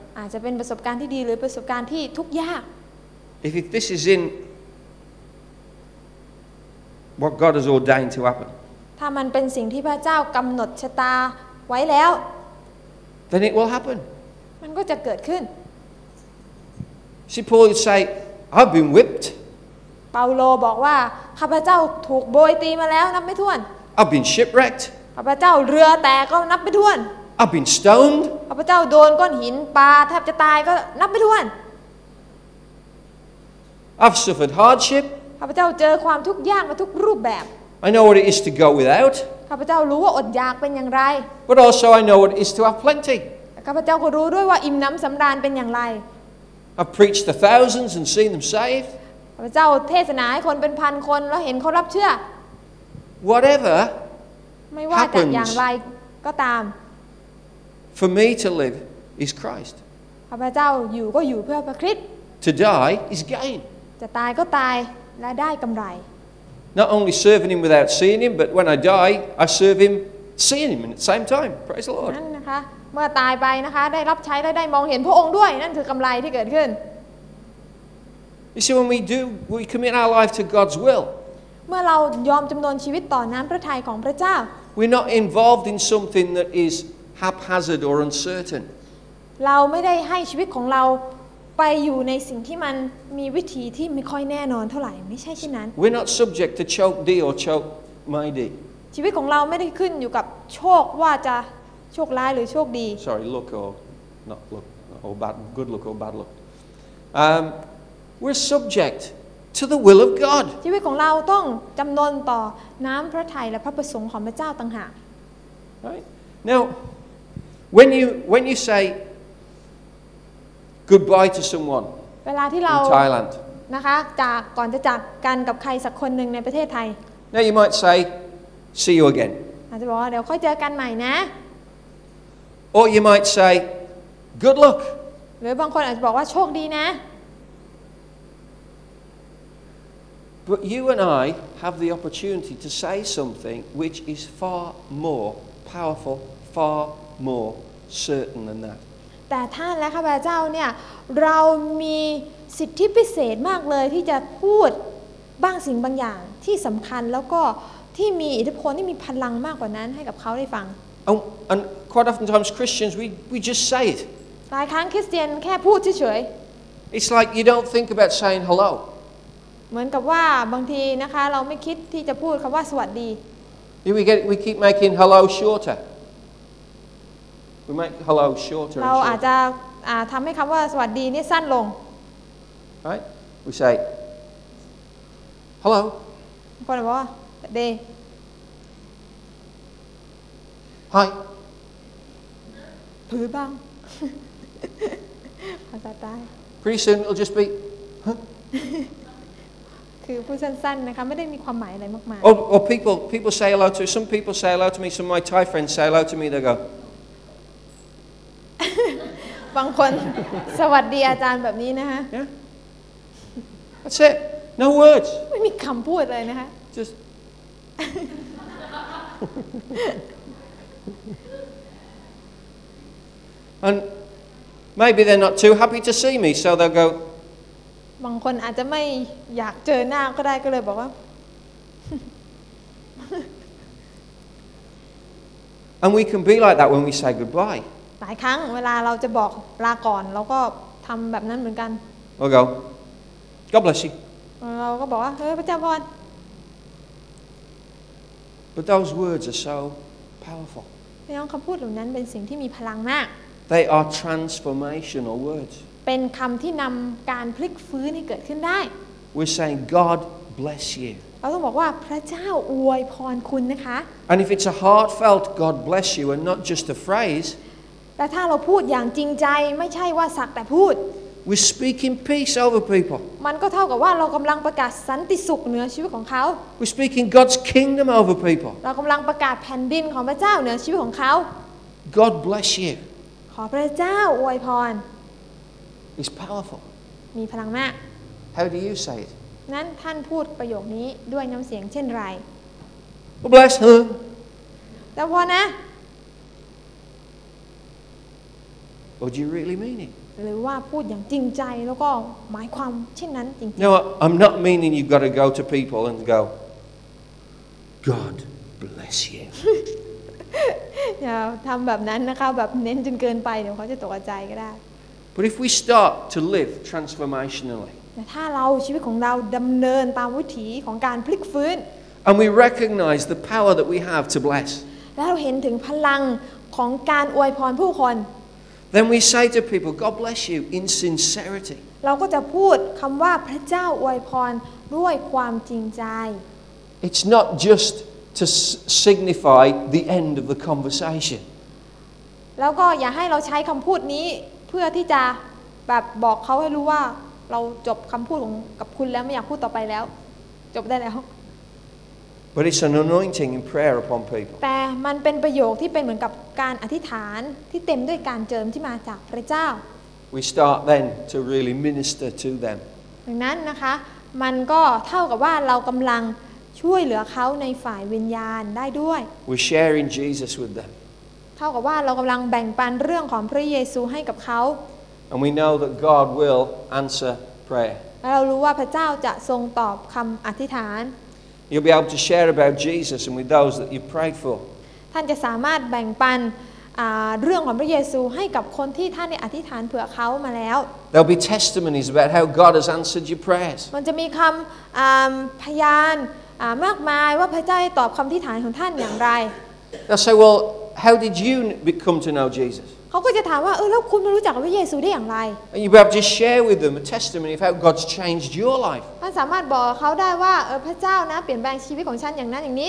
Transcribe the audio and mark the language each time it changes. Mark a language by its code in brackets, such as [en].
[th] อาจจะเป็นประสบการณ์ที่ดีหรือประสบการณ์ที่ทุกข์ยาก [en] If this is in what God has ordained to happen. [th] ถ้ามันเป็นสิ่งที่พระเจ้ากำหนดชะตาไว้แล้ว [en] Then it will happen. [th] มันก็จะเกิดขึ้น [en] See Paul would say, I've been whipped. [th] เปาโลบอกว่าข้าพเจ้าถูกโบยตีมาแล้วนับไม่ถ้วน [en] I've been shipwrecked [th] ข้าพเจ้าเรือแตกก็นับไม่ถ้วน [en] I've been stoned [th] ข้าพเจ้าโดนก้อนหินปาแทบจะตายก็นับไม่ถ้วน [en] I've suffered hardship [th] ข้าพเจ้าเจอความทุกข์ยากมาทุกรูปแบบ [en] I know what it is to go without [th] ข้าพเจ้ารู้ว่าอดอยากเป็นอย่างไร [en] But also I know what it is to have plenty [th] ข้าพเจ้าก็รู้ด้วยว่าอิ่มน้ำสำราญเป็นอย่างไร [en] I've preached to thousands and seen them saved [th] พระเจ้าเทศนาให้คนเป็นพันคนแล้วเห็นเขารับเชื่อ [en] Whatever [th] ไม่ว่าจะอย่างไรก็ตาม [en] For me to live is Christ [th] พระเจ้าอยู่ก็อยู่เพื่อพระคริสต์ [en] To die is gain [th] จะตายก็ตายและได้กำไร [en] Not only serving him without seeing him but when I die I serve him seeing him at the same time Praise the Lord [th] นั่นนะคะเมื่อตายไปนะคะได้รับใช้และได้มองเห็นพระองค์ด้วยนั่นคือกำไรที่เกิดขึ้น [en] You see, when we do, we commit our life to God's will. [th] เมื่อเรายอมจำนนชีวิตต่อน้ำพระทัยของพระเจ้า [en] We're not involved in something that is haphazard or uncertain. [th] เราไม่ได้ให้ชีวิตของเราไปอยู่ในสิ่งที่มันมีวิธีที่ไม่ค่อยแน่นอนเท่าไหร่ไม่ใช่เช่นนั้น [en] We're not subject to choke D or choke my D. [th] ชีวิตของเราไม่ได้ขึ้นอยู่กับโชคว่าจะโชคร้ายหรือโชคดี [en] Sorry, look or not look or bad, good look or bad look. We're subject to the will of God. [th] ชีวิตของเราต้องจำนนต่อน้ำพระทัยและพระประสงค์ของพระเจ้าต่างหาก [en] Right? Now, when you say goodbye to someone, [th] เวลาที่เรา [en] in Thailand, [th] นะคะจากก่อนจะจากกันกับใครสักคนหนึ่งในประเทศไทย [en] Now you might say, see you again. [th] อาจจะบอกว่าเดี๋ยวค่อยเจอกันใหม่นะ [en] Or you might say, good luck. [th] หรือบางคนอาจจะบอกว่าโชคดีนะ [en] But you and I have the opportunity to say something which is far more powerful, far more certain than that. [th] แต่ท่านและข้าพเจ้าเนี่ยเรามีสิทธิพิเศษมากเลยที่จะพูดบางสิ่งบางอย่างที่สำคัญแล้วก็ที่มีอิทธิพลที่มีพลังมากกว่านั้นให้กับเขาได้ฟัง [en] And quite often times Christians we just say it. [th] หลายครั้งคริสเตียนแค่พูดเฉย [en] ๆ It's like you don't think about saying hello. [th] เหมือนกับว่าบางทีนะคะเราไม่คิดที่จะพูดคำว่าสวัสดี [en] we keep making hello shorter we make hello shorter [th] เราอาจจะทำให้คำว่าสวัสดีนี่สั้นลง [en] right we say hello [th] คนบอกว่า day [en] hi [th] เผื่อบ้างภาษาใต้ [en] pretty soon it'll just be huh [th] คือพูดสั้นๆนะคะไม่ได้มีความหมายอะไรมากมาย [en] Oh, people say hello to some people say hello to me some of my Thai friends say hello to me they go [th] บางคนสวัสดีอาจารย์แบบนี้นะฮะ [en] That's it no words [th] ไม่มีคำพูดเลยนะฮะ [en] Just And maybe they're not too happy to see me, so they'll go. [th] บางคนอาจจะไม่อยากเจอหน้าก็ได้ก็เลยบอกว่า [en] And we can be like that when we say goodbye. [th] หลายครั้งเวลาเราจะบอกลาก่อนเราก็ทำแบบนั้นเหมือนกัน [en] We'll go. God bless you. [th] เราก็บอกว่าเฮ้ยพระเจ้าพร [en] But those words are so powerful. [th] เนี่ยคำพูดเหล่านั้นเป็นสิ่งที่มีพลังมาก [en] They are transformational words. [th] เป็นคำที่นำการพลิกฟื้นให้เกิดขึ้นได้ [en] We're saying God bless you [th] เราต้องบอกว่าพระเจ้าอวยพรคุณนะคะ [en] And if it's a heartfelt God bless you and not just a phrase [th] แต่ถ้าเราพูดอย่างจริงใจไม่ใช่ว่าสักแต่พูด [en] We're speaking peace over people [th] มันก็เท่ากับว่าเรากำลังประกาศสันติสุขเหนือชีวิตของเขา [en] We're speaking God's kingdom over people [th] เรากำลังประกาศแผ่นดินของพระเจ้าเหนือชีวิตของเขา [en] God bless you [th] ขอพระเจ้าอวยพร [en] It's powerful. [th] มีพลังมาก [en] How do you say it? [th] นั้นท่านพูดประโยคนี้ด้วยน้ำเสียงเช่นไร [en] God bless her. [th] แต่พอนะ [en] Or do you really mean it? [th] หรือว่าพูดอย่างจริงใจแล้วก็หมายความเช่นนั้นจริงๆ [en] No, I'm not meaning you've got to go to people and go, God bless you. [th] อย่าทำแบบนั้นนะคะแบบเน้นจนเกินไปเดี๋ยวเขาจะตกใจก็ได้ [en] But if we start to live transformationally, [th] แต่ถ้าเราชีวิตของเราดำเนินตามวิถีของการพลิกฟื้น [en] and we recognize the power that we have to bless, [th] แล้วเราเห็นถึงพลังของการอวยพรผู้คน [en] then we say to people, God bless you in sincerity. [th] เราก็จะพูดคำว่าพระเจ้าอวยพรด้วยความจริงใจ [en] It's not just to signify the end of the conversation. [th] แล้วก็อย่าให้เราใช้คำพูดนี้เพื่อที่จะแบบบอกเขาให้รู้ว่าเราจบคำพูดของกับคุณแล้วไม่อยากพูดต่อไปแล้วจบได้แล้ว [en] But it's an anointing in prayer upon people. [th] แต่มันเป็นประโยคที่เป็นเหมือนกับการอธิษฐานที่เต็มด้วยการเจิมที่มาจากพระเจ้า [en] We start then to really minister to them. [th] ดังนั้นนะคะมันก็เท่ากับว่าเรากำลังช่วยเหลือเขาในฝ่ายวิญญาณได้ด้วย [en] We're sharing Jesus with them. [th] เท่ากับว่าเรากำลังแบ่งปันเรื่องของพระเยซูให้กับเขา [en] And we know that God will answer prayer [th] เรารู้ว่าพระเจ้าจะทรงตอบคำอธิษฐาน [en] You'll be able to share about Jesus and with those that you've prayed for [th] ท่านจะสามารถแบ่งปันเรื่องของพระเยซูให้กับคนที่ท่านได้อธิษฐานเผื่อเขามาแล้ว [en] There'll be testimonies about how God has answered your prayers [th] มันจะมีคำพยานมากมายว่าพระเจ้าได้ตอบคำอธิษฐานของท่านอย่างไร [en] They'll say wellHow did you come to know Jesus? [th] เขาก็จะถามว่าแล้วคุณมารู้จักพระเยซูได้อย่างไร [en] And you'll be able to share with them a testimony of how God's changed your life. [th] ท่านสามารถบอกเขาได้ว่าพระเจ้านะเปลี่ยนแปลงชีวิตของฉันอย่างนั้นอย่างนี